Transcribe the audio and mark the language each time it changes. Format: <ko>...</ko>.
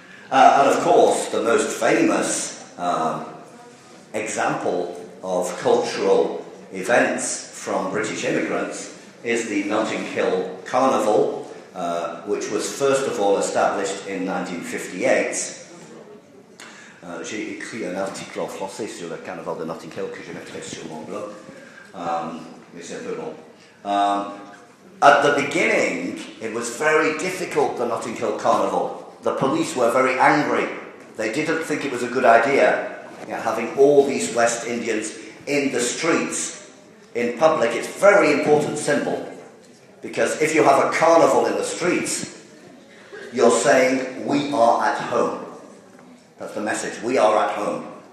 <en>And of course, the most famous example of cultural events from British immigrants is the Notting Hill Carnival, which was first of all established in 1958.</en> <fr>J'ai écrit un article en français sur le carnaval de Notting Hill que je mettrai sur mon blog. Mais c'est un peu long.</fr> <en>At the beginning, it was very difficult, the Notting Hill Carnival. The police were very angry. They didn't think it was a good idea, having all these West Indians in the streets, in public. It's a very important symbol. Because if you have a carnival in the streets, you're saying, we are at home. That's the message. We are at home.</en>